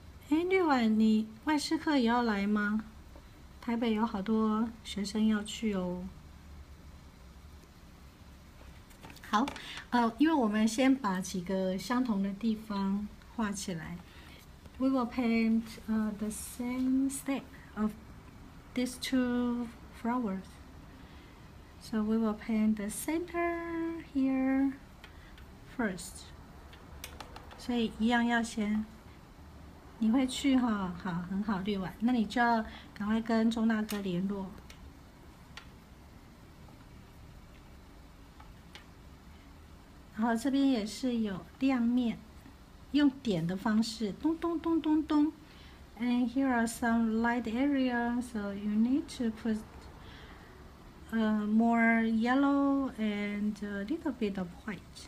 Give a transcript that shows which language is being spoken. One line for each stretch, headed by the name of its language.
Chinese: 哎，绿婉，你外事课也要来吗？台北有好多学生要去哦。好，因为我们先把几个相同的地方画起来。
English: We will paint the same step of these two flowers. So we will paint the center here first.
Chinese: 所以一样要先，你会去哈？好，很好，绿婉，那你就要赶快跟钟大哥联络。然后这边也是有亮面，用点的方式，咚咚咚咚咚。
English: And here are some light areas, so you need to put more yellow and a little bit of white.